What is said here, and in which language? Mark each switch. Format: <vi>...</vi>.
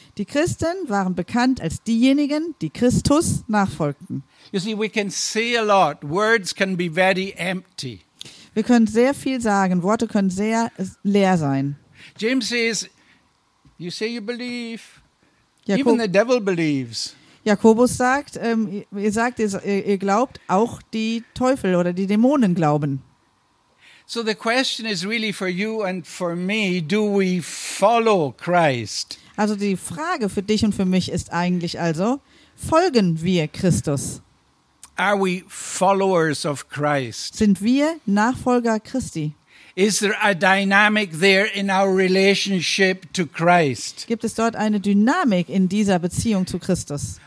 <de>Die Christen waren bekannt als diejenigen, die Christus nachfolgten.</de> <en>You see, we can say a lot. Words can be very empty.</en> <de>Wir können sehr viel sagen. Worte können sehr leer sein.</de> <en>James says, "You say you believe. Even the devil believes."</en> <de>Jakobus sagt, ihr glaubt, auch die Teufel oder die Dämonen glauben.</de> <en>So the question is really for you and for me: Do we follow Christ?</en> <de>Also die Frage für dich und für mich ist eigentlich also: Folgen wir Christus?</de> <en>Are we followers of Christ?</en> <de>Sind wir Nachfolger Christi?</de> <en>Is there a dynamic there in our relationship to Christ?</en> <de>Gibt es dort eine Dynamik in dieser Beziehung zu Christus?</de>